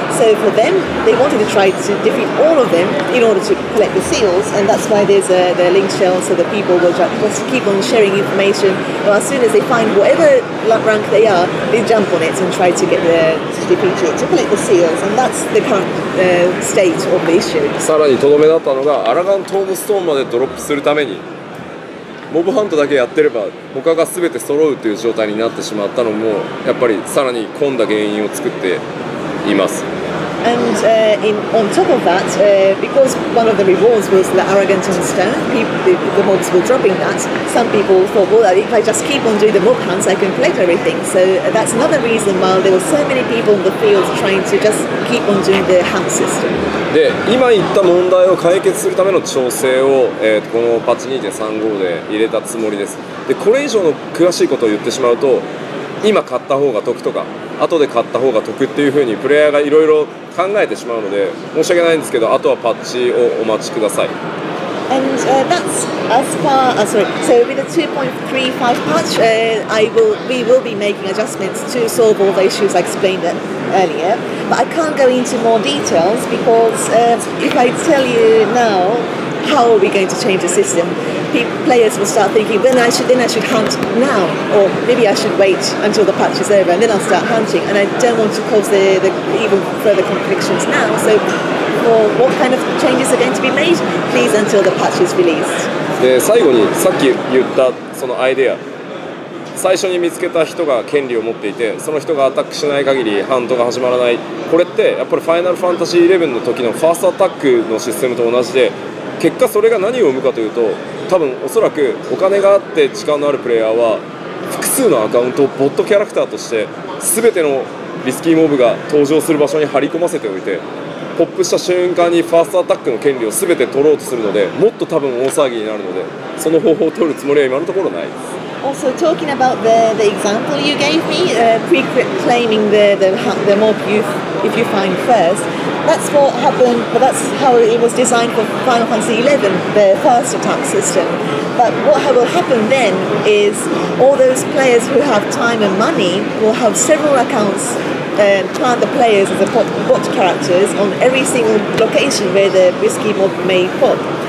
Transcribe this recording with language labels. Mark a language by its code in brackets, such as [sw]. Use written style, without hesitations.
[en] So for them, they wanted to try to defeat all of them in order to collect the seals, and that's why there's the link shell, so the people will just keep on sharing information. But as soon as they find whatever rank they are, they jump on it and try to get the to defeat it, to collect the seals, and that's the current state of the issue. [ja] さらにとどめだったのが、アラガントームストーンまでドロップするためにモブハントだけやってれば他が全て揃うという状態になってしまったのも、やっぱりさらに混んだ原因を作っています。 [en] And on top of that, because one of the rewards was the Arrogant and Stone, the mobs were dropping that. Some people thought, well, if I just keep on doing the mob hunts, I can collect everything. So that's another reason why there were so many people in the field trying to just keep on doing the hunt system. [ja] で、今言った問題を解決するための調整を、このパッチ 2.35 で入れたつもりです。で、これ以上の詳しいことを言ってしまうと、今買った方が得とか、後で買った方が得っていう風にプレイヤーがいろいろ考えてしまうので、申し訳ないんですけど、あとはパッチをお待ちください。 [en] And that's as far as so with the 2.35 patch, we will be making adjustments to solve all the issues I explained earlier. But I can't go into more details because if I tell you now how are we going to change the system, players will start thinking, then I should hunt now, or maybe I should wait until the patch is over and then I'll start hunting, and I don't want to cause the even further complications now. So for what kind of changes are going to be made, please until the patch is released. [ja] で、最後にさっき言ったそのアイデア、最初に見つけた人が権利を持っていて、その人がアタックしない限りハントが始まらない、これってやっぱりファイナルファンタジー11の時のファーストアタックのシステムと同じで、結果それが何を生むかというと、多分おそらくお金があって時間のあるプレイヤーは複数のアカウントをボットキャラクターとして全てのリスキーモブが登場する場所に張り込ませておいて、ポップした瞬間にファーストアタックの権利を全て取ろうとするので、もっと多分大騒ぎになるので、その方法を取るつもりは今のところないです。 [en] Also, talking about the example you gave me, pre-claiming the mob if you find first, that's what happened, but that's how it was designed for Final Fantasy XI, the first attack system. But what will happen then is all those players who have time and money will have several accounts plant the players as a bot characters on every single location where the risky mob may pop.